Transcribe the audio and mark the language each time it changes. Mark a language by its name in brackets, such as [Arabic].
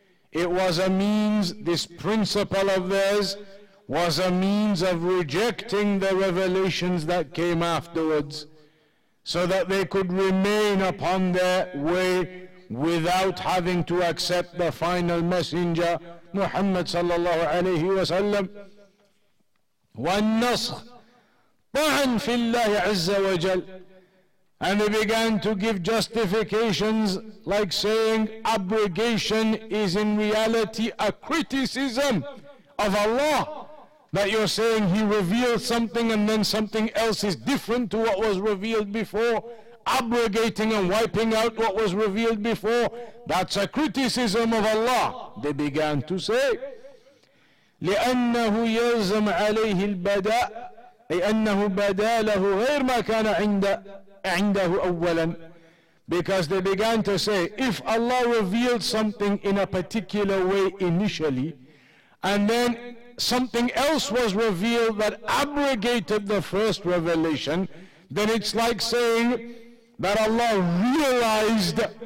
[English] It was a means, this principle of theirs was a means of rejecting the revelations that came afterwards, so that they could remain upon their way without having to accept the final messenger Muhammad sallallahu alayhi wa sallam. [Arabic] والنسخ طعن في الله عز وجل. [English] And they began to give justifications like saying abrogation is in reality a criticism of Allah, that you're saying he revealed something and then something else is different to what was revealed before. Abrogating and wiping out what was revealed before, that's a criticism of Allah, they began to say. [Arabic] لأنه يلزم عليه البداء أي أنه بدا له غير ما كان عنده أولا. [English] Because they began to say, if Allah revealed something in a particular way initially, and then something else was revealed that abrogated the first revelation, then it's like saying that Allah realized